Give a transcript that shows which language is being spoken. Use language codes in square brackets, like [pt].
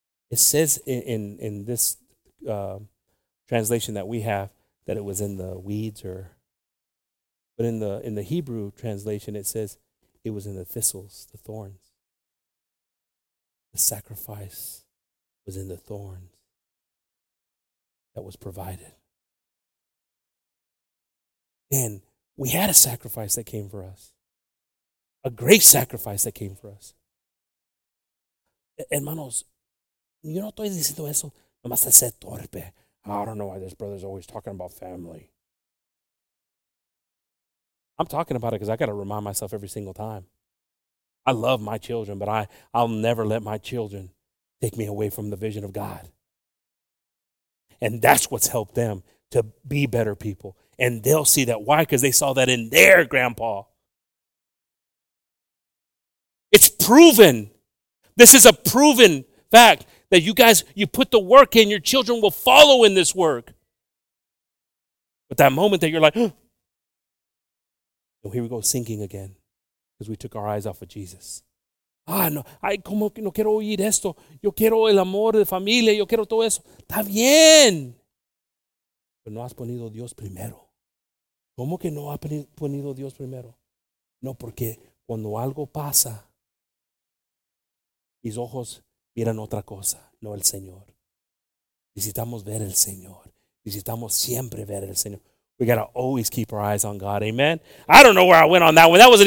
[en] It says in this translation that we have that it was in the weeds or, but in the Hebrew translation it says it was in the thistles, the thorns. The sacrifice was in the thorns that was provided. And we had a sacrifice that came for us. A great sacrifice that came for us. [es] Hermanos, yo no estoy diciendo eso, nomás hace torpe. [en] I don't know why this brother's always talking about family. I'm talking about it because I got to remind myself every single time. I love my children, but I'll never let my children take me away from the vision of God. And that's what's helped them to be better people. And they'll see that. Why? Because they saw that in their grandpa. It's proven. This is a proven fact. That you guys, you put the work in, your children will follow in this work. But that moment that you're like, "Oh, here we go, sinking again," because we took our eyes off of Jesus. [es] "Ah, no, ay, como que no quiero oír esto. Yo quiero el amor de familia, yo quiero todo eso. Está bien. Pero no has ponido Dios primero. ¿Cómo que no has ponido Dios primero? No, porque cuando algo pasa, mis ojos miran otra cosa, no el Señor. Necesitamos ver el Señor. Necesitamos siempre ver el Señor. [en] We got to always keep our eyes on God." Amen. I don't know where I went on that one.